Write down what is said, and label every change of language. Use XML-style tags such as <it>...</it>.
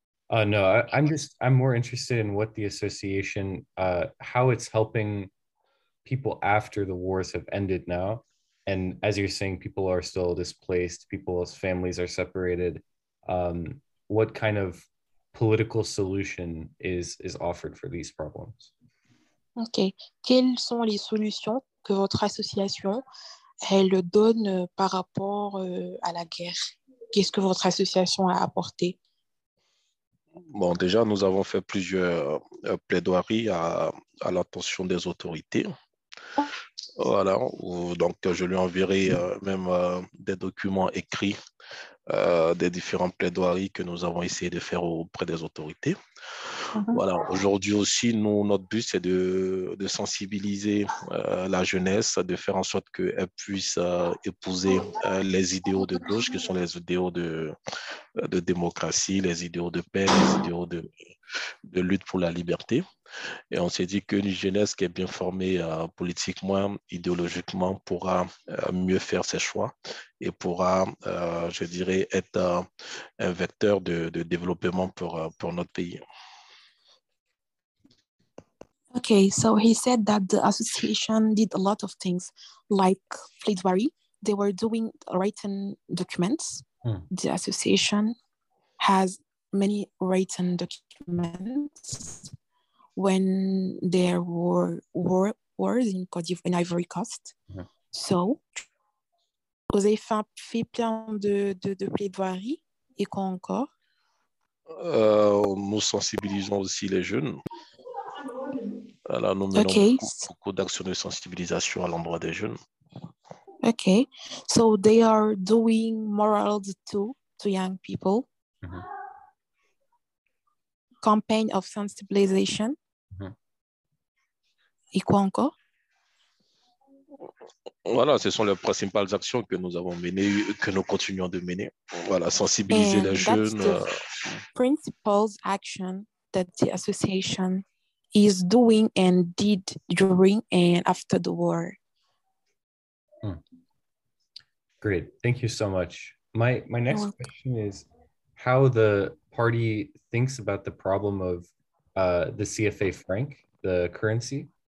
<en>No, I'm more interested in what the association, how it's helping people after the wars have ended now. And as you're saying, people are still displaced, people's families are separated. what kind of political solution is offered for these problems? Okay.</en> <fr>Quelles sont les solutions que votre association elle donne par rapport à la guerre? Qu'est-ce que votre association a apporté? Bon, déjà, nous avons fait plusieurs plaidoiries à l'attention des autorités. Voilà. Donc, je lui enverrai même des documents écrits des différentes plaidoiries que nous avons essayé de faire auprès des autorités. Mm-hmm. Voilà. Aujourd'hui aussi, nous, notre but, c'est de sensibiliser la jeunesse, de faire en sorte qu'elle puisse épouser les idéaux de gauche, qui sont les idéaux de démocratie, les idéaux de paix, les idéaux de lutte pour la liberté. Et on s'est dit qu'une jeunesse qui est bien formée politiquement, idéologiquement, pourra mieux faire ses choix et pourra, je dirais, être un vecteur de développement pour notre pays.</fr> <en>Okay, so he said that the association did a lot of things, like pleidoiry. They were doing written documents. Hmm. The association has many written documents. When there were wars in Côte d'Ivoire, in Ivory Coast. Yeah.</en> <fr>So, vous avez fait plein de plaidoiries et quoi encore? Nous sensibilisons aussi les jeunes. Alors, nous menons okay. beaucoup d'actions de sensibilisation à l'endroit des jeunes.</fr> <en>Okay, so they are doing morals too to young people. Mm-hmm. Campaign of sensibilisation.</en> <fr>Et quoi encore? Voilà, ce sont les principales actions que nous avons menées, que nous continuons de mener. Voilà, sensibiliser les jeunes.</fr> <en>Principal action that the association is doing and did during and after the war. Hmm. Great, thank you so much. My next You're question welcome. Is how the party thinks about the problem of the CFA franc, the currency.</en>